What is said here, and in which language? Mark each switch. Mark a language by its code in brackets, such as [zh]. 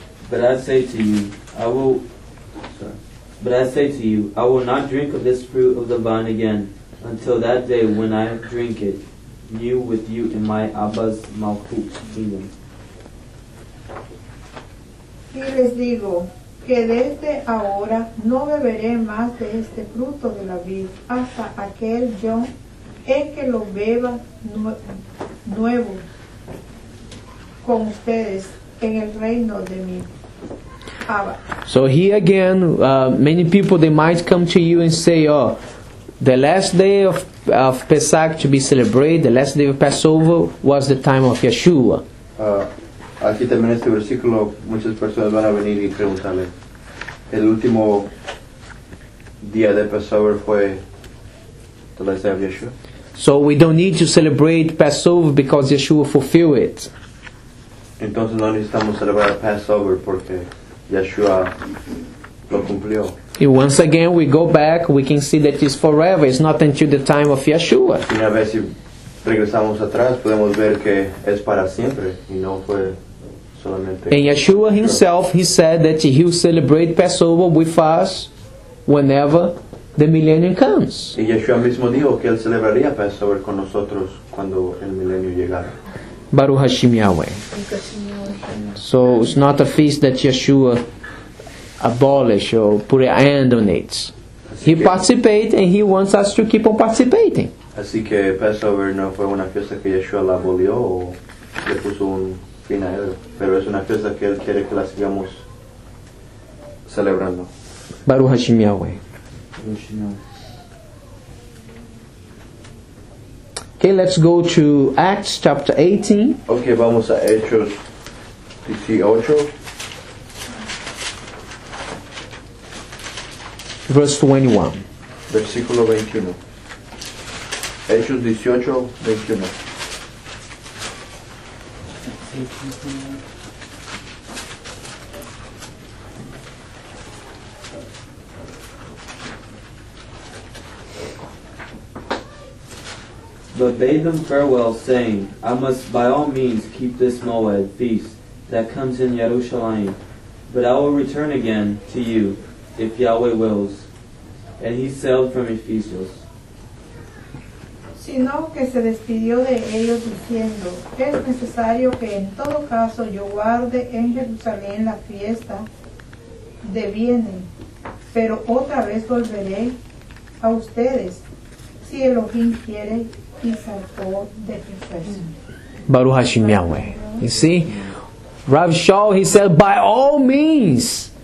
[en] But I say to you, I will not drink of this fruit of the vine again until that day when I drink it new with you in my Abba's Malchut kingdom. [es] Y les digo que desde ahora no beberé más de este fruto de la vid hasta aquel yo en que lo beba nuevo con ustedes en el reino de mi Abba. [en] So here again, many people, they might come to you and say, oh, the last day of Pesach to be celebrated, the last day of Passover was the time of Yeshua. [es] Aquí también este versículo, muchas personas van a venir y preguntarle, el último día de Passover fue [en] the last day of Yeshua. So we don't need to celebrate Passover because Yeshua fulfilled it. [es] Entonces no necesitamos celebrar Passover porque Yeshua lo cumplió. [en] And once again we go back, we can see that it's forever, it's not until the time of Yeshua. [es] Y una vez si regresamos atrás, podemos ver que es para siempre y no fue. [en] And Yeshua himself, he said that he'll celebrate Passover with us whenever the millennium comes. [es] Y Yeshua mismo dijo que él celebraría Passover con nosotros cuando el milenio llegara. [he] Baruch Hashem Yahweh. [en] So it's not a feast that Yeshua abolished or put an end on it. He participated and he wants us to keep on participating. [es] Así que Passover no fue una fiesta que Yeshua la abolió o le puso un. Pero es una fiesta que él quiere que la sigamos celebrando. [he] Baruch Hashem Yahweh. [en] Okay, let's go to Acts chapter 18. [es] Okay, vamos a Hechos 18. [en] Verse 21. [es] Versículo 21. Hechos 18, 21. [en] But bade them farewell, saying, I must by all means keep this Moed feast that comes in Jerusalem, but I will return again to you if Yahweh wills. And he sailed from Ephesus. [es] Sino que se despidió de ellos diciendo, es necesario que en todo caso yo guarde en Jerusalén la fiesta de bienes, pero otra vez volveré a ustedes, si Elohim quiere, y saltó de Efeso. [he] Baruch Hashem Yahweh. [en] You see, Rav Shaul, he said, by all means,